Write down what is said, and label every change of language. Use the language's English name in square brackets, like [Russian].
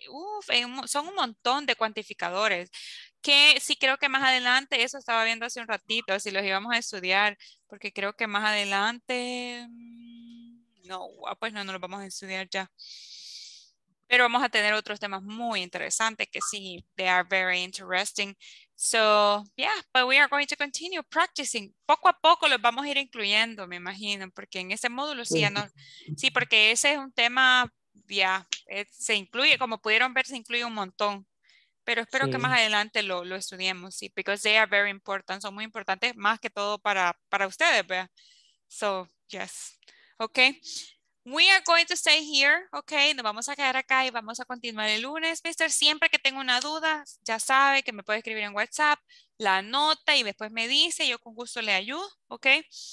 [Spanish] Uf, son un montón de cuantificadores. Que sí, creo que más adelante, eso estaba viendo hace un ratito, si los íbamos a estudiar, porque creo que más adelante, no, pues no los vamos a estudiar ya. Pero vamos a tener otros temas muy interesantes, que sí, [English] they are very interesting. So, yeah, but we are going to continue practicing. [Spanish] Poco a poco los vamos a ir incluyendo, me imagino, porque en ese módulo sí, ya no, sí, porque ese es un tema, ya, yeah, se incluye, como pudieron ver, se incluye un montón. Pero espero sí, que más adelante lo estudiemos, sí, [English] because they are very important, [Spanish] son muy importantes, más que todo para ustedes, ¿verdad? [English] So, yes, okay. We are going to stay here, okay? [Spanish] Nos vamos a quedar acá y vamos a continuar el lunes. Mister, siempre que tengo una duda, ya sabe que me puede escribir en WhatsApp, la nota y después me dice, yo con gusto le ayudo, okay?